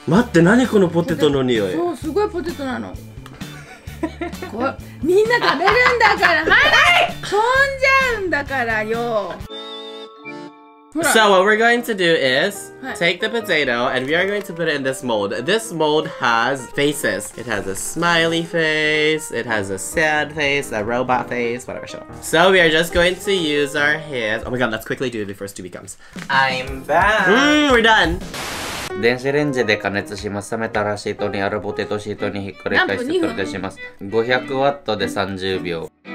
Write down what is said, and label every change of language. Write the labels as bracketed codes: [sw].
[ja] 待って、何このポテトの匂い。そう、すごいポテトなの。こみんな食べるんだから、はい、飛んじゃうんだからよ。 [en] So what we're going to do is take the potato and we are going to put it in this mold. This mold has faces. It has a smiley face, it has a sad face, a robot face, whatever. Shut up. So we are just going to use our hands. Oh my god, let's quickly do it before Stewie comes. I'm back. We're done. [ja] 電子レンジで加熱します。冷めたらシートにあるポテトシートにひっくり返して取り出します。 500ワットで30秒。